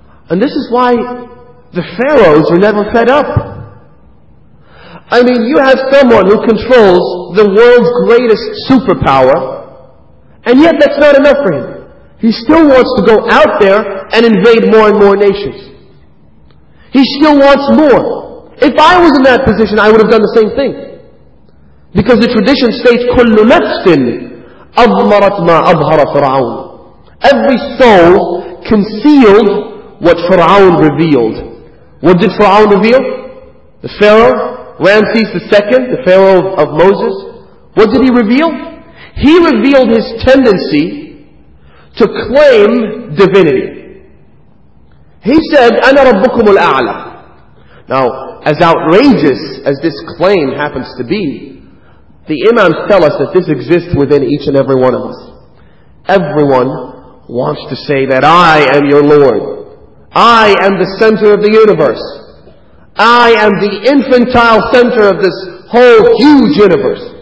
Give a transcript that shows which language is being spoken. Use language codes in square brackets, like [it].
[en] And this is why the pharaohs were never fed up. I mean, you have someone who controls the world's greatest superpower, and yet that's not enough for him. He still wants to go out there and invade more and more nations. He still wants more. If I was in that position, I would have done the same thing. Because the tradition states, [ar] كُلُّ نَفْسٍ أَظْمَرَتْ مَا أَظْهَرَ فِرْعَوْنَ. [en] Every soul concealed what Fir'aun revealed. What did Fir'aun reveal? The Pharaoh, Ramses II, the Pharaoh of Moses. What did he reveal? He revealed his tendency to claim divinity. He said, [ar] أنا ربكم الأعلى. [en] Now, as outrageous as this claim happens to be, the Imams tell us that this exists within each and every one of us. Everyone wants to say that I am your Lord. I am the center of the universe. I am the infantile center of this whole huge universe.